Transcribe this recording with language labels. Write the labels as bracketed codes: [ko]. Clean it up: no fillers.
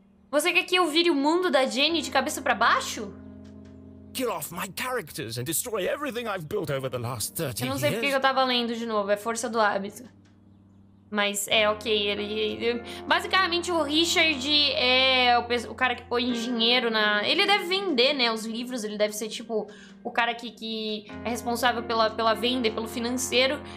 [pt] Você quer que eu vire o mundo da Jenny de cabeça para baixo? [en] Kill off my characters and destroy everything I've built over the last 30 years. [pt] Eu não sei porque eu tava lendo de novo, é força do hábito. Mas é ok, ele basicamente o Richard é o cara que põe dinheiro na... Ele deve vender, né, os livros, ele deve ser tipo o cara que é responsável pela venda e pelo financeiro.